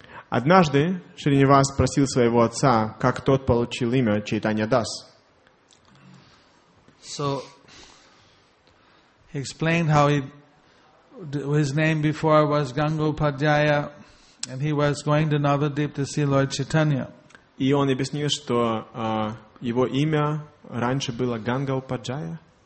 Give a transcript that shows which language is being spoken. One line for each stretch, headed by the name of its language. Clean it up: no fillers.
Russian: Однажды Шринивас спросил своего отца, как тот получил имя Чайтанья Дас.
English: So he explained how his name before was Gangopadhyaya, and he was going to Navadvip to see Lord Chaitanya.
Russian: И он объяснил, что его имя раньше было Гангопадхяя.